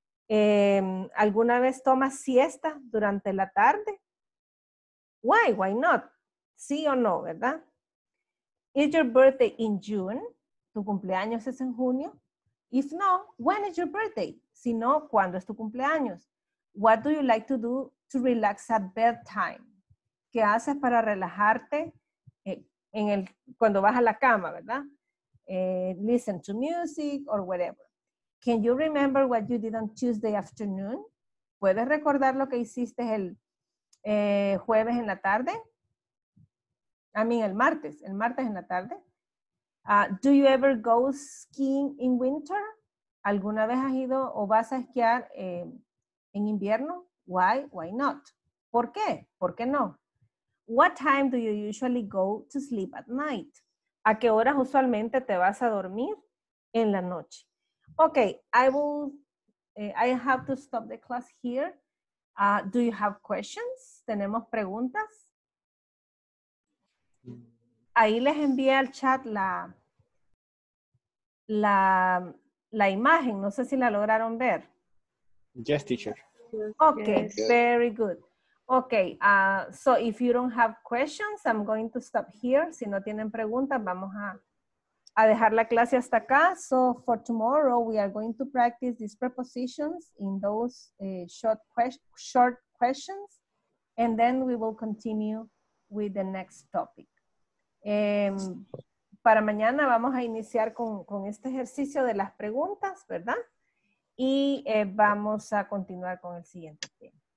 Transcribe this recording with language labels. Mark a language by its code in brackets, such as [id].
[es] ¿Alguna vez tomas siesta durante la tarde? [en] Why? Why not? [es] Sí o no, ¿verdad? [en] Is your birthday in June? [es] ¿Tu cumpleaños es en junio? [en] If no, when is your birthday? [es] Si no, ¿cuándo es tu cumpleaños? [en] What do you like to do to relax at bedtime? [es] ¿Qué haces para relajarte cuando vas a la cama, verdad? [en] Listen to music or whatever. Can you remember what you did on Tuesday afternoon? [es] ¿Puedes recordar lo que hiciste el jueves en la tarde? [en] I mean, [es] el martes en la tarde. [en] Do you ever go skiing in winter? [es] ¿Alguna vez has ido o vas a esquiar en invierno? [en] Why? Why not? [es] ¿Por qué? ¿Por qué no? [en] What time do you usually go to sleep at night? [es] ¿A qué horas usualmente te vas a dormir en la noche? [en] Okay, I have to stop the class here. Do you have questions? [es] ¿Tenemos preguntas? Ahí les envié al chat la imagen. No sé si la lograron ver. [en] Yes, teacher. Okay, yes. Very good. Okay, so if you don't have questions, I'm going to stop here. [es] Si no tienen preguntas, vamos a dejar la clase hasta acá. [en] So for tomorrow, we are going to practice these prepositions in those short questions. And then we will continue with the next topic. [es] Para mañana vamos a iniciar con este ejercicio de las preguntas, ¿verdad? Y vamos a continuar con el siguiente tema.